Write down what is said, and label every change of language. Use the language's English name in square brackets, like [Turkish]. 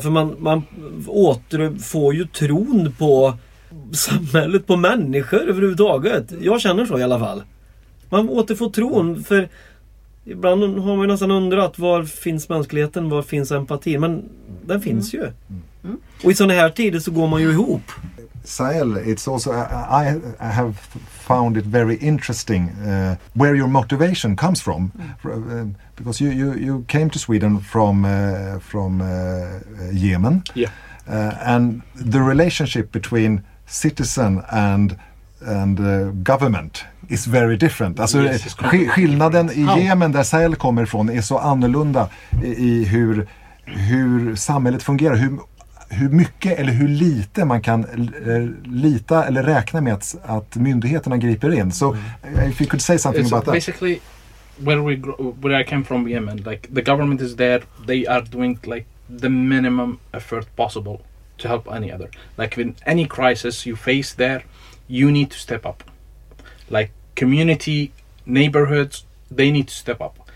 [Swedish] För man återfår ju tron på samhället, på människor överhuvudtaget. Jag känner så i alla fall. Man återfår tron, för ibland har man ju nästan undrat, var finns mänskligheten, var finns empati? Men den finns ju. Mm. Och i sådana här tider så går man ju ihop. [English] Sahel, it's also I have found it very interesting where your motivation comes from, because you came to Sweden from Yemen, yeah, And the relationship between citizen and government is very different. [Swedish] Alltså, skillnaden i Yemen där Sahel kommer ifrån är så annorlunda i hur samhället fungerar, hur mycket eller hur lite man kan lita eller räkna med att myndigheterna griper in. [English] So if you could say something about that. Basically, where I came from, Yemen, like the government is there, they are doing like the minimum effort possible to help any other. Like in any crisis you face there, you need to step up. Like community, neighborhoods, they need to step up.